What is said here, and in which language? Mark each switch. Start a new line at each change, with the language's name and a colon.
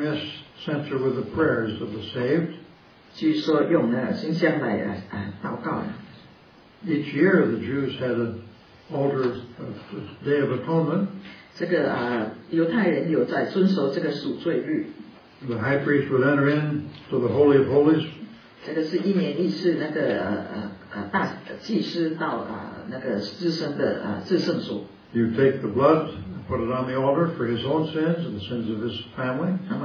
English: this censer with the prayers of the saved.
Chinese: 据说用那金香来祷告。
English: Each year the Jews had an altar of the Day of Atonement.
Chinese: 这个犹太人有在遵守这个赎罪日.
English: The high priest would enter in to the Holy of Holies.
Chinese: 这个是一年一次那个大祭司到那个至圣所.
English: You take the blood, put it on the altar for his own sins and the sins of his family.